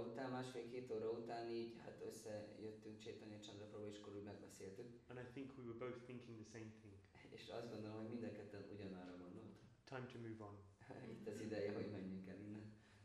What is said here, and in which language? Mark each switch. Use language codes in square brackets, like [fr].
[hu] Másfél-két óra után így hát összejöttünk Chaitanya Chandrapur, és akkor úgy megbeszéltük. [en] And I think we were both thinking the same thing. [hu] És azt gondolom, hogy mind a ketten ugyanarra gondolt. [en] Time to move on. [hu] Itt az ideje, hogy menjünk el innen.